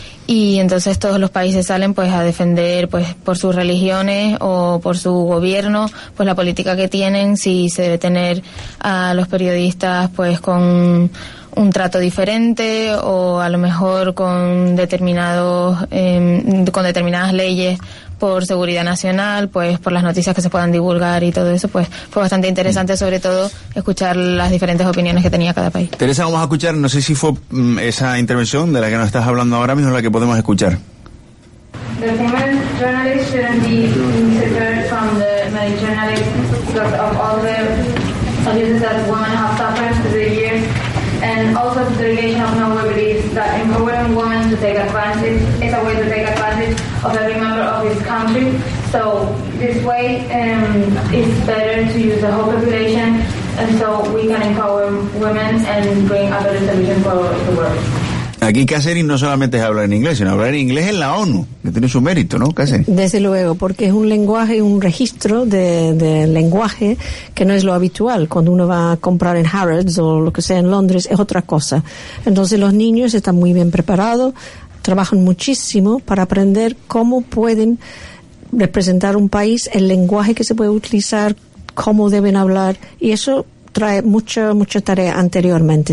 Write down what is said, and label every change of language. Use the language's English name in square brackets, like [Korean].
[Spanish] Y entonces todos los países salen pues a defender pues por sus religiones o por su gobierno pues la política que tienen, si se debe tener a los periodistas pues con un trato diferente o a lo mejor con determinadas leyes por seguridad nacional, pues por las noticias que se puedan divulgar y todo eso. Pues fue bastante interesante, sobre todo, escuchar las diferentes opiniones que tenía cada país. Teresa, vamos a escuchar, no sé si fue esa intervención de la que nos estás hablando ahora mismo la que podemos escuchar. [English] The human journalists shouldn't be separate from the male journalists because of all the abuses that women have suffered through the years, and also the delegation of Norway believes that empowering women to take advantage is a way to take advantage of every member of this country. So this way it's better to use the whole population, and so we can empower women and bring a better solution for the world. [Spanish] Aquí Catherine no solamente es hablar en inglés, sino hablar en inglés en la ONU, que tiene su mérito, ¿no, Catherine? Desde luego, porque es un lenguaje, un registro de lenguaje que no es lo habitual. Cuando uno va a comprar en Harrods o lo que sea en Londres, es otra cosa. Entonces los niños están muy bien preparados, trabajan muchísimo para aprender cómo pueden representar un país, el lenguaje que se puede utilizar, cómo deben hablar, y eso trae mucha tarea anteriormente.